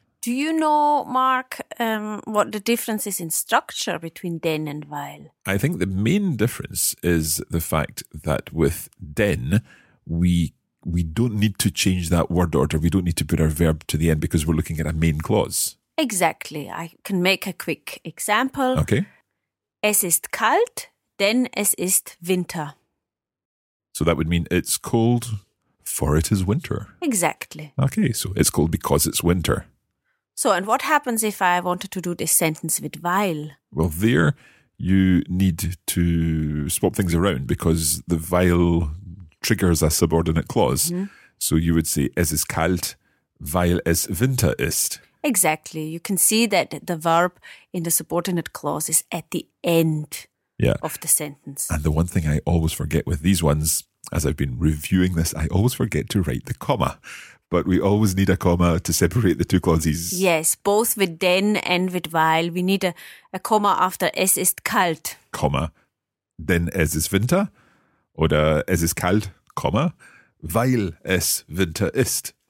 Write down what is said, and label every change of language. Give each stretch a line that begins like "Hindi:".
English: Do you know, Mark, what the difference is in structure between denn and weil? I think the main difference is the fact that with denn, we don't need to change that word order. We don't need to put our verb to the end because we're looking at a main clause. Exactly. I can make a quick example. Okay.
German: Es ist kalt, denn es ist Winter.
English: So that would mean it's cold, for it is winter. Exactly. Okay, so it's cold because it's winter. So, and what happens if I wanted to do this sentence with weil? Well, there you need to swap things around because the weil triggers a subordinate clause. Mm-hmm.
German: So you would say, es ist kalt, weil es Winter ist.
English: Exactly. You can see that the verb in the subordinate clause is at the end, yeah, of the sentence. And the one thing I always forget with these ones, as I've been reviewing this, I always forget to write the comma. But we always need a comma to separate the two clauses. Yes, both with denn and with weil. We need a comma after es ist kalt.
German: Comma. Denn es ist Winter. Oder es ist kalt, comma, weil es Winter ist.